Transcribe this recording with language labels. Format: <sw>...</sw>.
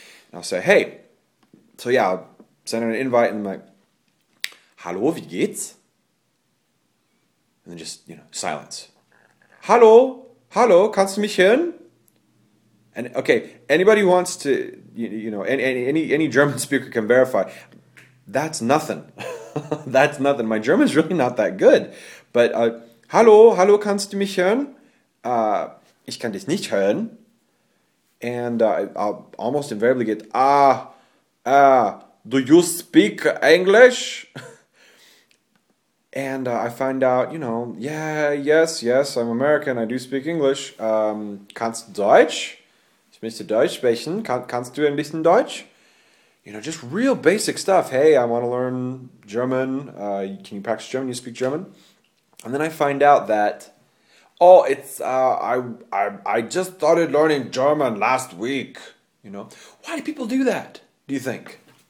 <en>And I'll say, hey, so yeah, I'll send out an invite and I'm like,</en> <de>hallo, wie geht's?</de> <en>And then just, you know, silence.</en> <de>Hallo, hallo, kannst du mich hören?</de> <en>And okay, anybody wants to, you know, any German speaker can verify. That's nothing. That's nothing. My German's really not that good. But</en> <de>hallo, hallo, kannst du mich hören? Ich kann dich nicht hören.</de> <en>And I'll almost invariably get, do you speak English? And I find out, you know, yeah, yes, I'm American, I do speak English.</en> <de>Kannst du Deutsch? Ich möchte Deutsch sprechen. Kannst du ein bisschen Deutsch?</de> <en>You know, just real basic stuff. Hey, I want to learn German. Can you practice German? You speak German? And then I find out that, oh, it's, I just started learning German last week. You know, why do people do that, do you think?</en>